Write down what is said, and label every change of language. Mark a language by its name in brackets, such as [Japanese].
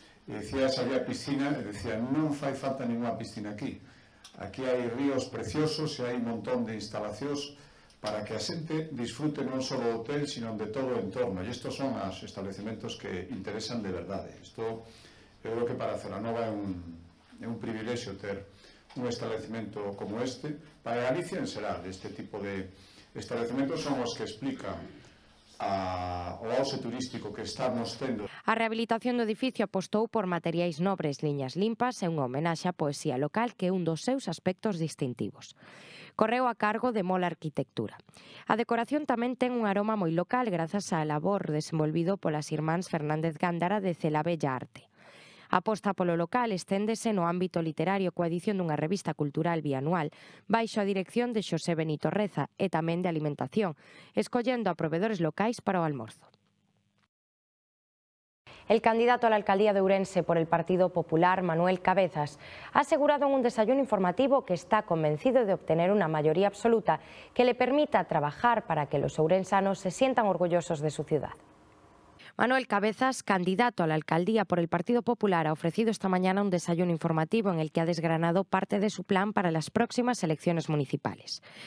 [Galician] E decía se había piscina, e decía, non fai falta ninguna piscina aquí. Aquí hai ríos preciosos e hai un montón de instalacións para que a xente disfrute non só do hotel, sino de todo o entorno. E estos son os establecementos que interesan de verdade. Isto, eu creo que para Celanova é un privilexio ter un establecemento como este. Para Galicia, en xeral, este tipo de establecementos son os que explican o auxe turístico que estamos tendo. A rehabilitación do edificio apostou por materiais nobres, liñas limpas e unha homenaxe á poesía local que é un dos seus aspectos distintivos. Correu a cargo de Mola Arquitectura. A decoración tamén ten un aroma moi local grazas á labor desenvolvido polas irmáns Fernández Gándara de Celabella Arte. A aposta polo local esténdese no ámbito literario coa edición dunha revista cultural bianual baixo a dirección de Xosé Benito Reza e tamén de alimentación, escollendo a provedores locais para o almorzo. [Spanish] El candidato a la alcaldía de Ourense por el Partido Popular, Manuel Cabezas, ha asegurado en un desayuno informativo que está convencido de obtener una mayoría absoluta que le permita trabajar para que los ourensanos se sientan orgullosos de su ciudad. Manuel Cabezas, candidato a la alcaldía por el Partido Popular, ha ofrecido esta mañana un desayuno informativo en el que ha desgranado parte de su plan para las próximas elecciones municipales.